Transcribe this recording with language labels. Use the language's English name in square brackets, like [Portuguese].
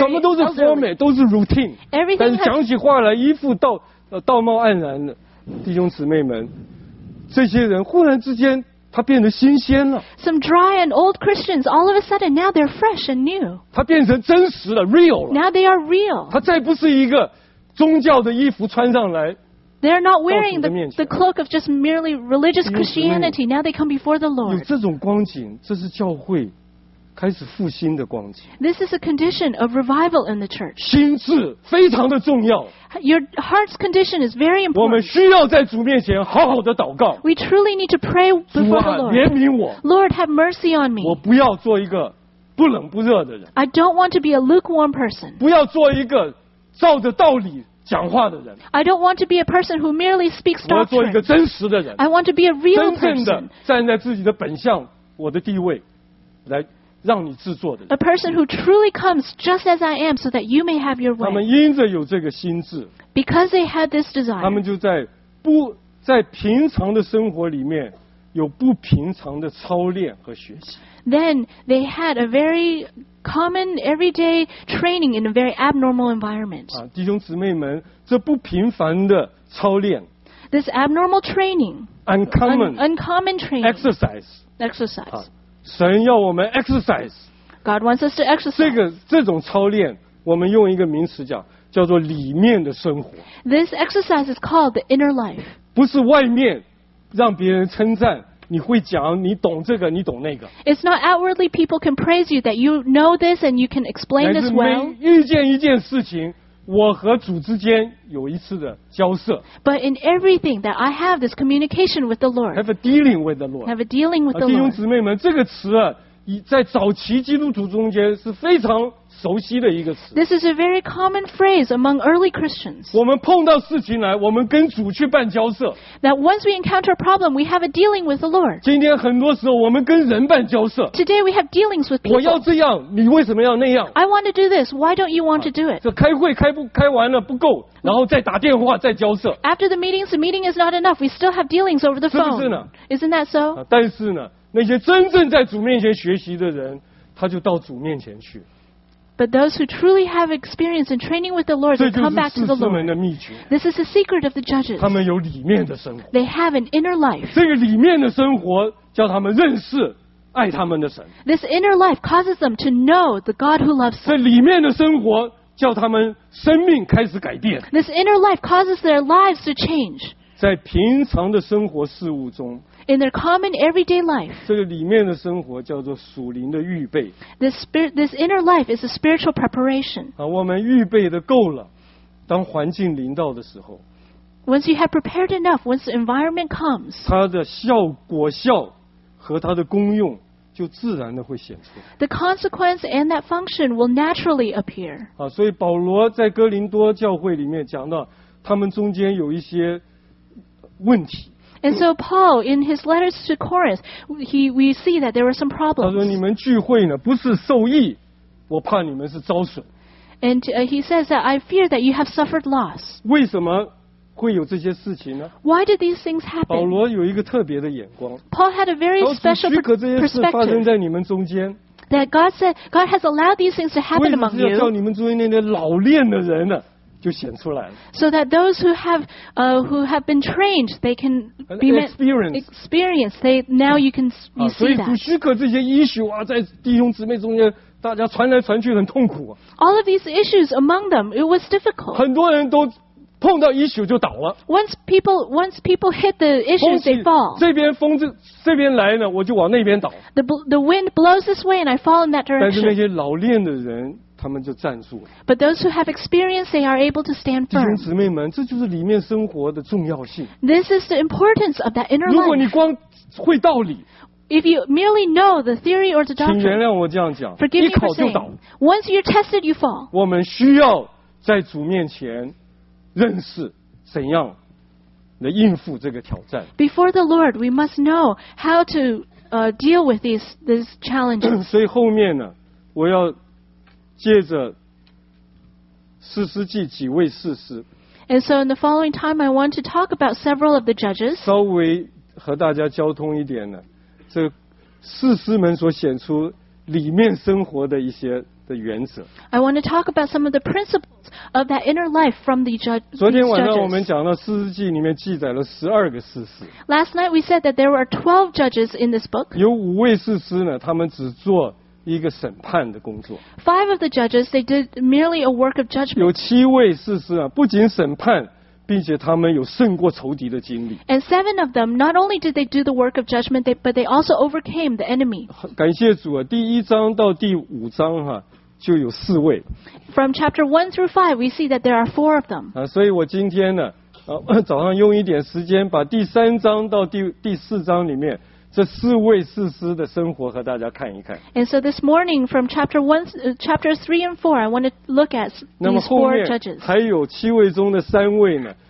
[Chinese] 什么都是 format， 都是 routine。 [English] Everything [Chinese] 但是讲起话来一副道貌岸然的弟兄姊妹们，这些人忽然之间他变得新鲜了。 [English] Some dry and old Christians all of a sudden now they're fresh and new。 [Chinese] 他变成真实了 ，real 了。 [English] Now they are real。 [Chinese] 他再不是一个宗教的衣服穿上来。 [English] They're not wearing the cloak of just merely religious Christianity. Now they come before the Lord. [Chinese] 有这种光景，这是教会开始复兴的光景。 [English] This is a condition of revival in the church. [Chinese] 心智非常的重要。 [English] Your heart's condition is very important. [Chinese] 我们需要在主面前好好的祷告。 [English] We truly need to pray before the Lord. [Chinese] 主啊，怜悯我。 [English] Lord, have mercy on me. [Chinese] 我不要做一个不冷不热的人。 [English] I don't want to be a lukewarm person. [Chinese] 不要做一个照着道理。讲话的人 [English] I don't want to be a person who merely speaks doctrine. [Chinese] 我要做一个真实的人 I want to be a real person. 真正的站在自己的本相我的地位来让你制作的人。 [English] A person who truly comes just as I am, so that you may have your way. [Chinese] 他们因着有这个心智。 [English] Because they had this desire. [Chinese] 他们就在不在平常的生活里面有不平常的操练和学习。 [English] Then they had a very common everyday training in a very abnormal environment. [Chinese] 啊，弟兄姊妹们，这不平凡的操练。 [English] This abnormal training. Uncommon training. Exercise. [Chinese] 啊，神要我们 exercise. [English] God wants us to exercise. [Chinese] 这种操练，我们用一个名词叫做里面的生活。 [English] This exercise is called the inner life. [Chinese] 不是外面让别人称赞。你会讲，你懂这个，你懂那个。 [English] It's not outwardly people can praise you that you know this and you can explain this well. [Chinese] 乃是每遇见一件事情，我和主之间有一次的交涉。 [English] But in everything that I have this communication with the Lord. Have a dealing with the Lord. Have a dealing with the Lord. [Chinese] 弟兄姊妹们，这个词啊，在早期基督徒中间是非常熟悉的一个词。 [English] This is a very common phrase among early Christians. [Chinese] 我们碰到事情来，我们跟主去办交涉。 [English] That once we encounter a problem, we have a dealing with the Lord. [Chinese] 今天很多时候我们跟人办交涉。 [English] Today we have dealings with people. [Chinese] 我要这样，你为什么要那样？ [English] I want to do this. Why don't you want to do it? [Chinese] 这开会开完了不够，然后再打电话再交涉。 [English] After the meeting is not enough. We still have dealings over the phone. [Chinese] 是不是呢？ [English] Isn't that so? [Chinese] 但是呢，那些真正在主面前学习的人，他就到主面前去。 [English] But those who truly have experience in training with the Lord come back to the Lord. This is the secret of the judges. [Chinese] 他们有里面的生活。 [English] They have an inner life. [Chinese] 这个里面的生活叫他们认识爱他们的神。 [English] This inner life causes them to know the God who loves them. [Chinese] 这里面的生活叫他们生命开始改变。 [English] This inner life causes their lives to change. [Chinese] 在平常的生活事物中。 [English] In their common everyday life, [Chinese] 这个里面的生活叫做属灵的预备。 [English] This inner life is a spiritual preparation. [Chinese] 啊，我们预备的够了，当环境临到的时候。 [English] Once you have prepared enough, once the environment comes, [Chinese] 它的果效和它的功用就自然的会显出。 [English] The consequence and that function will naturally appear. [Chinese] 啊，所以保罗在哥林多教会里面讲到，他们中间有一些问题。 [English] And so Paul, in his letters to Corinth, we see that there were some problems. [Chinese] 他说：“你们聚会呢，不是受益，我怕你们是遭损。” [English] And he says that I fear that you have suffered loss. [Chinese] 为什么会有这些事情呢？ [English] Why did these things happen? [Chinese] 保罗有一个特别的眼光。 [English] Paul had a very special perspective. [Chinese] 许可这些事发生在你们中间。 [English] That God said God has allowed these things to happen among you. [Chinese] 为什么叫你们中间那些老练的人呢？就显出来了。 [English] So that those who have been trained, they can be experienced. They now you can see that. [Chinese] 所以不许可这些 issue 啊，在弟兄姊妹中间，大家传来传去很痛苦。 [English] All of these issues among them, it was difficult. [Chinese] 很多人都碰到 issue 就倒了。 [English] Once people hit the issues, they fall. [Chinese] 这边风这边来呢，我就往那边倒。 [English] The wind blows this way, and I fall in that direction. [Chinese] 但是那些老练的人。他们就站住了。 [English] But those who have experience, they are able to stand firm. [Chinese] 弟兄姊妹们，这就是里面生活的重要性。 [English] This is the importance of that inner life. [Chinese] 如果你光会道理 [English] ，If you merely know the theory or the doctrine, [Chinese] 请原谅我这样讲。 [English] Forgive me for saying. [Chinese] 一考就倒。 [English] Once you're tested, you fall. [Chinese] 我们需要在主面前认识怎样来应付这个挑战。 [English] Before the Lord, we must know how to deal with these challenges. [Chinese] 所以后面呢，我要。借着士师记几位士师 [English] ，And so in the following time, I want to talk about several of the judges. [Chinese] 稍微和大家交通一点呢，这士师们所显出里面生活的一些的原则。 [English] I want to talk about some of the principles of that inner life from the judges. [Chinese] 昨天晚上我们讲到士师记里面记载了12个士师。 [English] Last night we said that there were 12 judges in this book. [Chinese] 有五位士师呢，他们只做。一个审判的工作。 [English] Five of the judges, they did merely a work of judgment. [Chinese] 有七位士师啊，不仅审判，并且他们有胜过仇敌的经历。 [English] And seven of them, not only did they do the work of judgment, but they also overcame the enemy. [Chinese] 感谢主啊，第一章到第五章哈、啊，就有四位。 [English] From chapter 1 through 5, we see that there are 4 of them. [Chinese] 啊，所以我今天呢，早上用一点时间，把第三章到第四章里面。这四位士师的生活和大家看一看。 [English] And so this morning from chapter 3 and 4, I want to look at these four judges. [Chinese] 那么后面还有七位中的三位呢，